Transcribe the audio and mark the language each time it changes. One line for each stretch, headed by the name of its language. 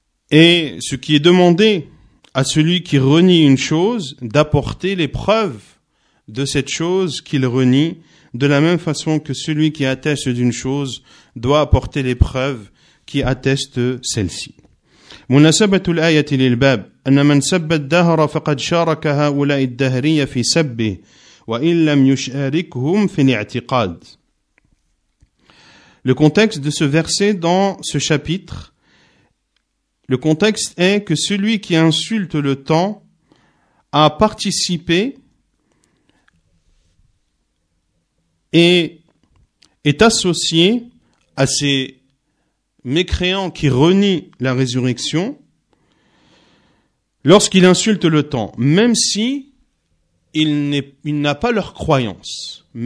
French: Et ce qui est demandé à celui qui renie une chose, d'apporter les preuves de cette chose qu'il renie, de la même façon que celui qui atteste d'une chose doit apporter les preuves qui attestent celle-ci.
Arabic: مناسبة الآية للباب أن من سب الدهر فقد شارك هؤلاء الدهرية في سبه وإن لم يشاركهم في الاعتقاد.
French: Le contexte de ce verset dans ce chapitre. Le contexte est que celui qui insulte le temps a participé et est associé à ces mécréants qui renient la résurrection lorsqu'il insulte le temps, même si il n'a pas leur croyance.